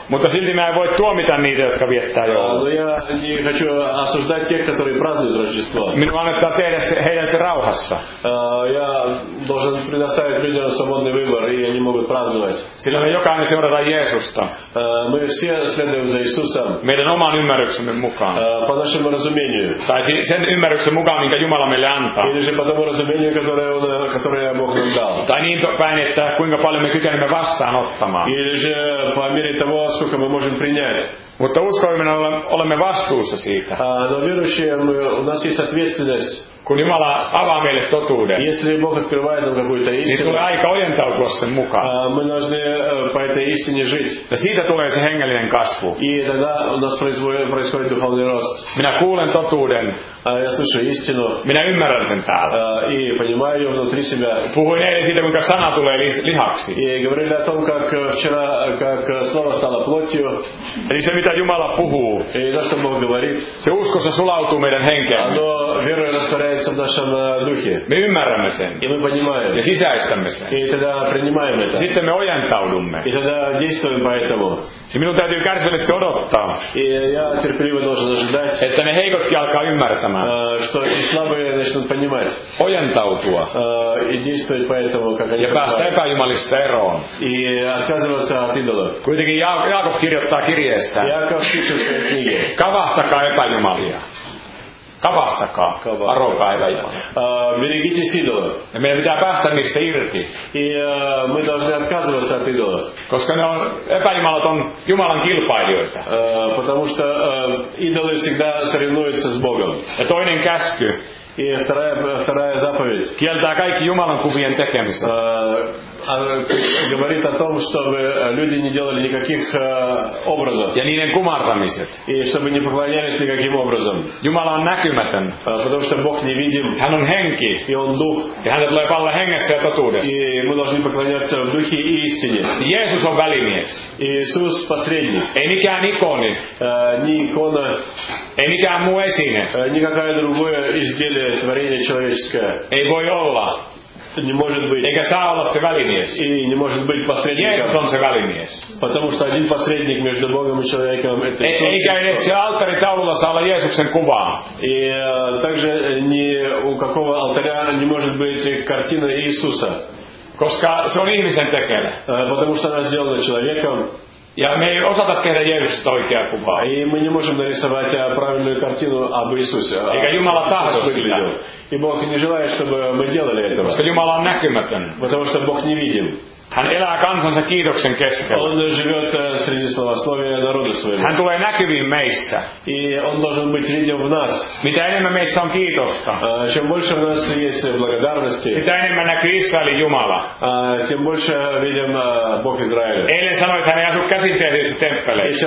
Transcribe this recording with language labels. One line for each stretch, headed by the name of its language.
Finnish: Mutta silti mä en voi tuomita niitä, jotka viettää joulua.
Russian: Но я не хочу осуждать тех, которые празднуют Рождество.
Finnish: Minun annettaa tehdä heidän se rauhassa.
Russian: Я должен предоставить людям свободный выбор, и они могут праздновать.
Finnish: Sillä me jokainen seurataan Jeesusta.
Russian: Мы все следуем за Иисусом.
Finnish: Meidän oman ymmärryksemme mukaan.
Russian: По нашему разумению.
Finnish: Tai sen ymmärryksen mukaan, minkä Jumala meille antaa.
Russian: Или же по тому разумению, которое Бог нам дал.
Finnish: Tai niin päin, että kuinka paljon me kykenemme vastaanottamaan.
Russian: Или же по мере того, сколько мы можем принять.
Finnish: Mutta uskoimina olemme vastuussa siitä.
Russian: Но верующие, у нас есть ответственность.
Finnish: Kun Jumala avaa meille totuuden,
Russian: если Бог открывает нам какую-то истину,
Finnish: niin tulee aika ojentautua sen mukaan.
Russian: Мы должны по этой истине жить.
Finnish: Ja siitä tulee se hengellinen kasvu.
Russian: И тогда у нас происходит духовный рост.
Finnish: Minä kuulen totuuden.
Russian: Я слышу истину.
Finnish: Minä ymmärrän sen täällä.
Russian: И понимаю ее внутри себя.
Finnish: Puhuin eilen siitä, kuinka sana tulee lihaksi.
Russian: И говорили о том, как слово стало плотью.
Finnish: Eli se, mitä Jumala puhuu.
Russian: И то, что Бог говорит.
Finnish: Se uskossa sulautuu meidän henkeen.
Russian: Но веру в нашем духе.
Finnish: Me ymmärrämme sen.
Russian: И мы понимаем.
Finnish: Ja sisäistämme sen.
Russian: И тогда принимаем это.
Finnish: Sitten me ojentaudumme.
Russian: И тогда действуем по этому.
Finnish: Ja minun täytyy kärsivällisesti odottaa.
Russian: И я терпеливо должен ожидать.
Finnish: Että ne heikotkin alkaa ymmärtämään.
Russian: Что и слабые начнут понимать.
Finnish: Ojentautua.
Russian: И действовать по этому, как они.
Finnish: Ja päästä epäjumalista eroon.
Russian: И отказываться от идолов.
Finnish: Kuitenkin Jaakob kirjoittaa kirjeessä. Jaakob kirjoittaa
Russian: книге.
Finnish: Kavahtakaa epäjumalia. Kavahtakaa, arvopäivä Jumala.
Russian: Берегитесь идола.
Finnish: Ja meidän pitää päästä niistä irti.
Russian: Мы должны отказываться от идола.
Finnish: Koska ne on, epäjumalat on Jumalan kilpailijoita.
Russian: Потому что идолы всегда соревнуются с Богом.
Finnish: Ja toinen käsky.
Russian: И вторая заповедь.
Finnish: Kieltää kaikki Jumalan kuvien tekemistä.
Russian: Говорит о том, чтобы люди не делали никаких образов.
Finnish: Ja niiden kumartamiset.
Russian: И чтобы не поклонялись никаким образом.
Finnish: Jumala on näkymätön.
Russian: Потому что Бог невидим.
Finnish: Hän on henki.
Russian: И он дух.
Finnish: Ja hänet tulee palvella hengessä ja totuudessa.
Russian: И мы должны поклоняться в духе и истине.
Finnish: Jeesus on välimies.
Russian: Иисус посредник.
Finnish: Ei mikään ikoni.
Russian: Ni ikona.
Finnish: Ei mikään muu esine.
Russian: Никакое другое изделие творение человеческое.
Finnish: Ei voi olla.
Russian: Не может быть.
Finnish: Eikä saa olla se välimies.
Russian: И не может быть посредником.
Finnish: Jeesus on se välimies.
Russian: Потому что один посредник между Богом и человеком это Иисус.
Finnish: Eikä edes se alttari taululla saa olla Jeesuksen kuvaa.
Russian: И также ни у какого алтаря не может быть картина Иисуса.
Finnish: Koska se on ihmisen tekemä.
Russian: Потому что она сделана человеком.
Finnish: Ja me ei osata tehdä Jeesusta oikeaa kuvaa.
Russian: И мы не можем нарисовать правильную картину об Иисусе.
Finnish: Eikä Jumala tahdo sitä.
Russian: И Бог не желает, чтобы мы делали этого.
Finnish: Jumala on näkymätön.
Russian: Потому что Бог невидим.
Finnish: Hän elää kansansa kiitoksen keskellä.
Russian: Он живёт среди славословия народа своего.
Finnish: Hän tulee näkyviin meissä.
Russian: И он должен быть виден в нас.
Finnish: Mitä enemmän meissä on kiitosta,
Russian: чем больше у нас есть благодарности.
Finnish: Sitä enemmän näkyy Israelin Jumala.
Russian: Тем больше видим Бог Израиля.
Finnish: Eilen sanoi, että hän ei asu käsitteellisessä temppeleissä.